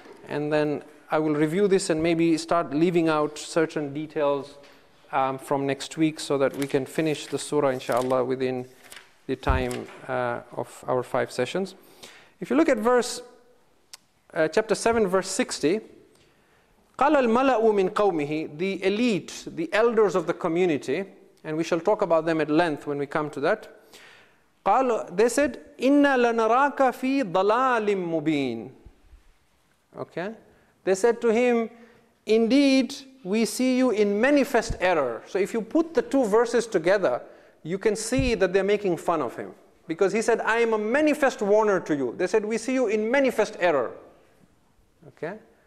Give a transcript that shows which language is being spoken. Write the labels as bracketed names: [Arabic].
[English] And then I will review this and maybe start leaving out certain details from next week so that we can finish the surah, inshallah, within the time of our five sessions. If you look at chapter 7, verse 60, [Arabic] قَالَ الْمَلَأُ مِنْ قَوْمِهِ [English] The elite, the elders of the community, and we shall talk about them at length when we come to that. They said, [Arabic] إِنَّا لَنَرَاكَ فِي ضَلَالٍ مُبِينٍ [English] Okay? They said to him, indeed, we see you in manifest error. So if you put the two verses together, you can see that they're making fun of him. Because he said, I am a manifest warner to you. They said, we see you in manifest error. Okay?